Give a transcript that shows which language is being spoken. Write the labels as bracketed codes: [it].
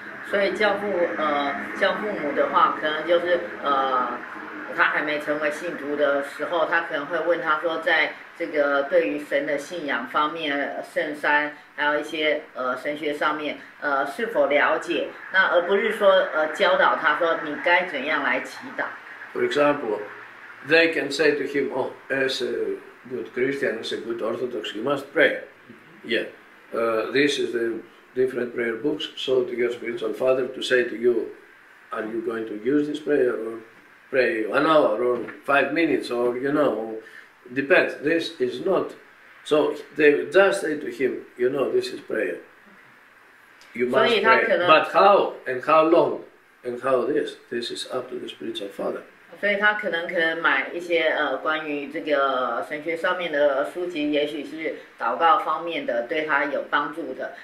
[zh] 所以教父母的话，可能就是他还没成为信徒的时候，他可能会问他说，在这个对于神的信仰方面，圣山还有一些神学上面是否了解，那而不是说教导他说你该怎样来祈祷。 [en] For example, they can say to him, "Oh, as a good Christian, as a good Orthodox, you must pray. Yeah, this is the different prayer books. So to your spiritual father to say to you, are you going to use this prayer or pray 1 hour or 5 minutes or you know?" Depends. This is not. So they just say to him, you know, this is prayer. You must pray. But how and how long and how this? This is up to the spiritual father. [zh] 所以他可能买一些关于这个神学上面的书籍，也许是祷告方面的对他有帮助的。